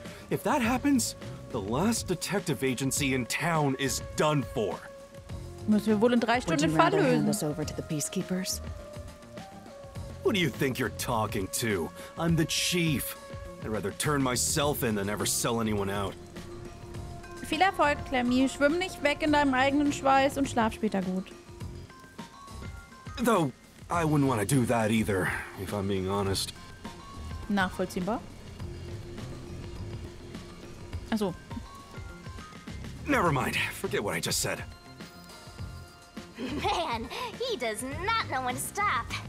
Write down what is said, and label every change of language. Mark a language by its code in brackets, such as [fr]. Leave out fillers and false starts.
[en] If that happens, the last detective agency in town is done for. [de] Müssen wir wohl in 3 Stunden Fall lösen. [en] Would you rather hand us over to the peacekeepers? Who do you think you're talking to? I'm the chief. I'd rather turn myself in than ever sell anyone out. [de] Viel Erfolg, Clemmy. Schwimm nicht weg in deinem eigenen Schweiß und schlaf später gut. [en] Though, I wouldn't want to do that either, if I'm being honest. [de] Nachvollziehbar. Also. [en] Never mind. Forget what I just said. Man, he does not know when to stop.